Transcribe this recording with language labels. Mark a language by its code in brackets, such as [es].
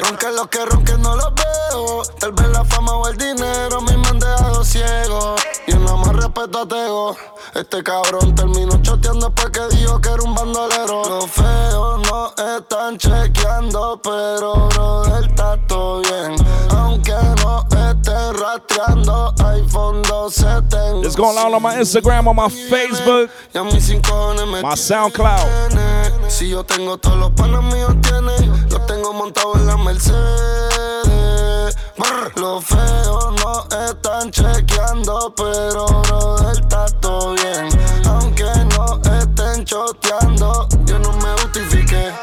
[es] Ronquen los que ronquen, no los veo. Tal vez la fama o el dinero me han dejado ciego. Y no más respeto a Tego. Este cabrón terminó choteando después que dijo que era un bandolero. Los feos no están chequeando, pero bro, él está todo bien. Aunque no esté rastreando, iPhone 12 tengo. [en] It's going on my Instagram, on my Facebook, my SoundCloud. [es] Si yo tengo todos los panos míos tiene, los tengo montados en la Mercedes. Los feos no están chequeando, pero bro, él está todo bien. Aunque no estén choteando, yo no me justifique.